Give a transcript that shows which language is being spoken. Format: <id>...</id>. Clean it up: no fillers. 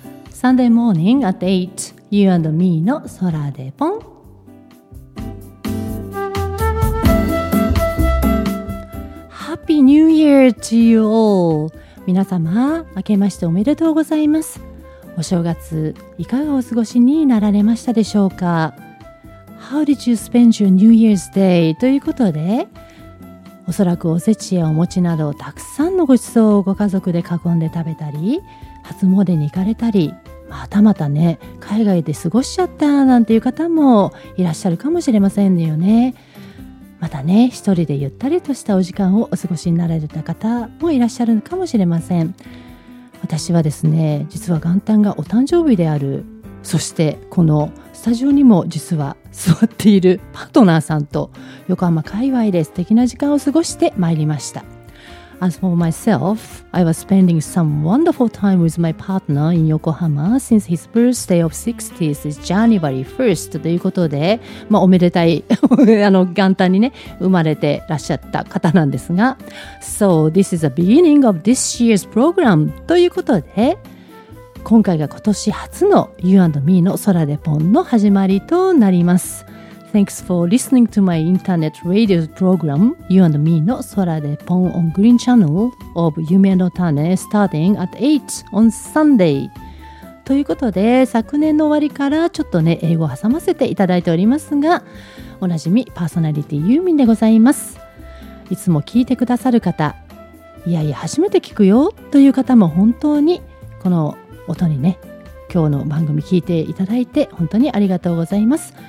<en>Sunday morning at 8, You and me の空でポン。 Happy New Year to you all!</en> <ja>皆様、明けましておめでとうございます。お正月、いかがお過ごしになられましたでしょうか？</ja> <en>How did you spend your New Year's Day?</en> <ja>ということで、おそらくおせちやお餅など、たくさんのごちそうをご家族で囲んで食べたり、初詣に行かれたり、またまたね、海外で過ごしちゃったなんていう方もいらっしゃるかもしれませんよね。またね、一人でゆったりとしたお時間をお過ごしになられた方もいらっしゃるかもしれません。私はですね、実は元旦がお誕生日である、そしてこのスタジオにも実は座っているパートナーさんと横浜界隈で素敵な時間を過ごしてまいりました。</ja> <en>As for myself, I was spending some wonderful time with my partner in Yokohama since his birthday of 60th is January 1st</en> <ja>ということで、まあ、おめでたい元旦にね生まれてらっしゃった方なんですが、</ja> <en>So this is the beginning of this year's program</en> <ja>ということで、今回が今年初の You and Me の空でポンの始まりとなります。</ja> <en>Thanks for listening to my internet radio program, You and Me の空でポン on Green Channel of 夢の種 starting at 8 on Sunday.</en> <ja>ということで、昨年の終わりからちょっとね、英語を挟ませていただいておりますが、おなじみパーソナリティユーミンでございます。いつも聞いてくださる方、いやいや初めて聞くよという方も本当にこの音にね、今日の番組聞いていただいて本当にありがとうございます。</ja>